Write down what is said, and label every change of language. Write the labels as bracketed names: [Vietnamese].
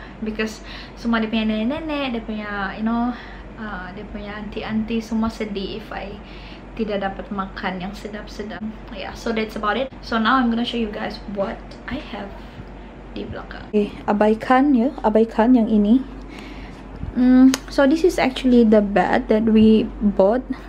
[Malay] Because semua dia punya nenek-nenek, dia punya, [English] you know, [Malay] dia punya anti-anti, semua sedih [English] if I [Malay] tidak dapat makan yang sedap-sedap. [English] Yeah, so that's about it. So now I'm gonna show you guys what I have [Malay] di belakang. Okay, abaikan ya, abaikan yang ini. [English] So this is actually the bed that we bought.